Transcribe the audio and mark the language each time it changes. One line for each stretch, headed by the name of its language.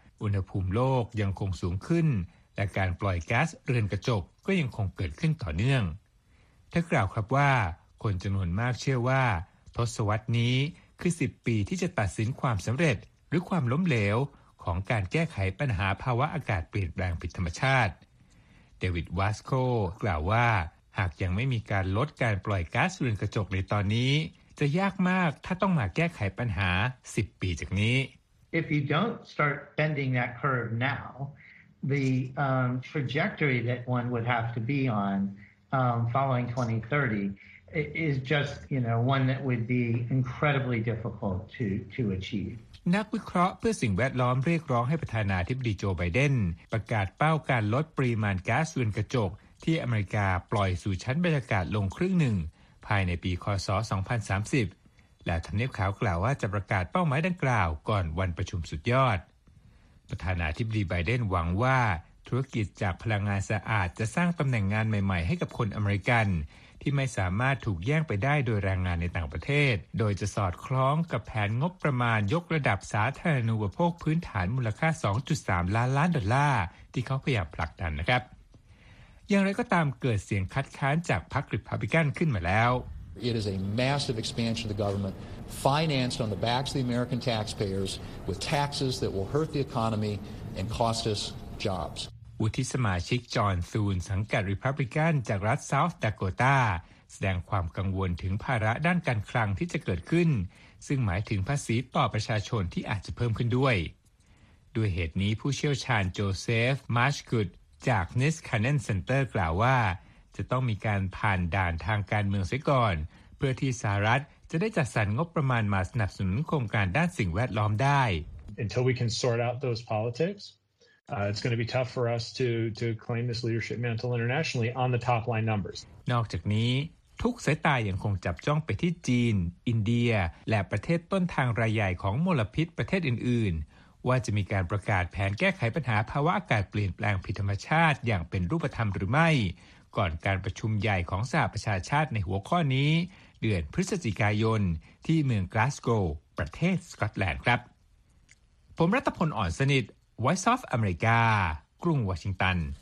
Thai: อุณหภูมิโลกยังคงสูงขึ้นและการปล่อยก๊าซเรือนกระจกก็ยังคงเกิดขึ้นต่อเนื่องถ้ากล่าวครับว่าคนจำนวนมากเชื่อว่าทศวรรษนี้คือ10ปีที่จะตัดสินความสำเร็จหรือความล้มเหลวของการแก้ไขปัญหาภาวะอากาศเปลี่ยนแปลงผิดธรรมชาติเดวิดวาสโคกล่าวว่าหากยังไม่มีการลดการปล่อยก๊าซเรือนกระจกในตอนนี้จะยากมากถ้าต้องมาแก้ไขปัญหา10ปีจากนี้
English: If you don't start bending that curve now the trajectory that one would have to be on following 2030 is just you know one that would be incredibly difficult to achieve
Thai: นักวิเคราะห์เพื่อสิ่งแวดล้อมเรียกร้องให้ประธานาธิบดีโจไบเดนประกาศเป้าการลดปริมาณก๊าซเรือนกระจกที่อเมริกาปล่อยสู่ชั้นบรรยากาศลงครึ่งหนึ่งภายในปีคศ2030และทำเนียบขาวกล่าวว่าจะประกาศเป้าหมายดังกล่าวก่อนวันประชุมสุดยอด ประธานาธิบดีไบเดนหวังว่าธุรกิจจากพลังงานสะอาดจะสร้างตำแหน่งงานใหม่ๆให้กับคนอเมริกันที่ไม่สามารถถูกแย่งไปได้โดยแรงงานในต่างประเทศโดยจะสอดคล้องกับแผนงบประมาณยกระดับสาธารณูปโภคพื้นฐานมูลค่า 2.3 ล้านล้านดอลลาร์ที่เขาพยายามผลักดันนะครับอย่างไรก็ตามเกิดเสียงคัดค้านจากพรรครีพับลิกันขึ้นมาแล้ว
English: It is a massive expansion of the government financed on the backs of the American taxpayers with taxes that will hurt the economy and cost us jobs
Thai: วุฒิสมาชิกจอห์นซูนสังกัดรีพับลิกันจากรัฐเซาท์ดาโกตาแสดงความกังวลถึงภาระด้านการคลังที่จะเกิดขึ้นซึ่งหมายถึงภาษีต่อประชาชนที่อาจจะเพิ่มขึ้นด้วยด้วยเหตุนี้ผู้เชี่ยวชาญโจเซฟมาร์ชกูดจากนิสคานเนนเซ็นเตอร์กล่าวว่าจะต้องมีการผ่านด่านทางการเมืองเสียก่อนเพื่อที่สหรัฐจะได้จัดสรรงบประมาณมาสนับสนุนโครงการด้านสิ่งแวดล้อมได้
English: Until we can sort out those politicsit's going to be tough for us to claim this leadership mantle internationally on the top line numbers
Thai: นอกจากนี้ทุกสายตายังคงจับจ้องไปที่จีนอินเดียและประเทศต้นทางรายใหญ่ของมลพิษประเทศอื่นๆว่าจะมีการประกาศแผนแก้ไขปัญหาภาวะอากาศเปลี่ยนแปลงผิดธรรมชาติอย่างเป็นรูปธรรมหรือไม่ก่อนการประชุมใหญ่ของสหประชาชาติในหัวข้อนี้เดือนพฤศจิกายนที่เมืองกลาสโกว์ประเทศสกอตแลนด์ครับผมรัตพลอ่อนสนิทVoice of America กรุงวอชิงตัน